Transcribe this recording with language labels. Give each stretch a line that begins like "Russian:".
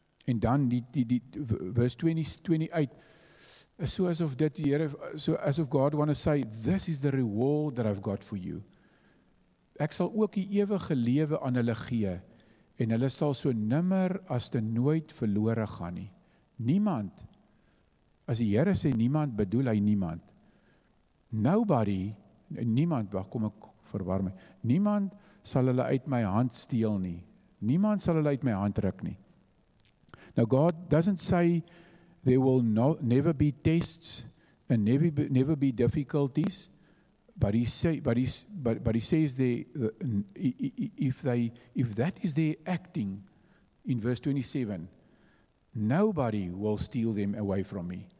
Afrikaans: En dan die verse 28 is so asof dit die Here, so asof
English: God want to say, this is the reward that I've got for you.
Afrikaans: Ek sal ook die ewige lewe aan hulle gee, en hulle sal so nimmer as te nooit verlore gaan nie. Niemand, as die Here sê niemand, bedoel hy niemand. Nobody, niemand, waar kom ek verwar my, niemand sal hulle uit my hand steel nie. Niemand sal hulle uit my hand ruk nie.
English: Now, God doesn't say there will never be tests and never be difficulties, but he says if that is their acting in verse 27, nobody will steal them away from me.